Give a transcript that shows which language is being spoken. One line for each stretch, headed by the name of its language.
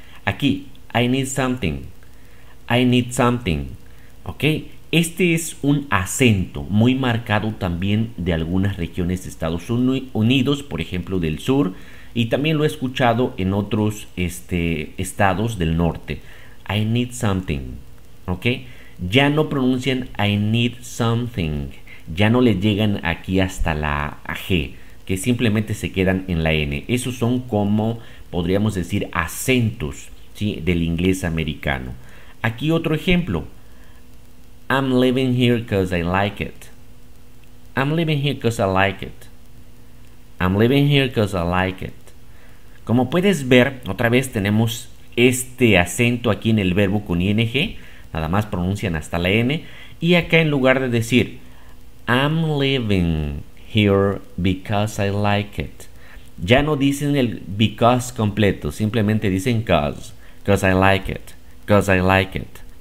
English: Aquí, I need something. I need something. ¿Ok?
Spanish: Este es un acento muy marcado también de algunas regiones de Estados Unidos, por ejemplo, del sur. Y también lo he escuchado en otros estados del norte.
English: I need something. ¿Ok?
Spanish: Ya no pronuncian
English: I need something.
Spanish: Ya no le llegan aquí hasta la G, que simplemente se quedan en la N. Esos son como, podríamos decir, acentos, ¿sí?, del inglés americano. Aquí otro ejemplo.
English: I'm living here because I like it. I'm living here because I like it. I'm living here because I like it.
Spanish: Como puedes ver, otra vez tenemos este acento aquí en el verbo con ING. Nada más pronuncian hasta la N. Y acá en lugar de decir
English: I'm living here because I like it,
Spanish: ya no dicen el because completo, simplemente dicen
English: cause, cause I like it, cause I like it.